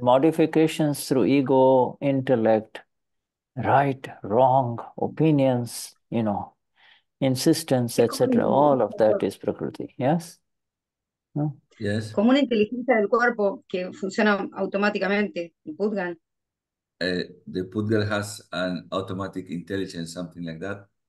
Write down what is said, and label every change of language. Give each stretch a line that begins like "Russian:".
English: modifications through ego, intellect, right, wrong, opinions, you know, insistence, etc. All of that is Prakriti. Yes? No? Yes.
Spanish: Como una inteligencia del cuerpo que funciona automáticamente, el Pudgal.
English: The Pudgal has an automatic intelligence, something like that.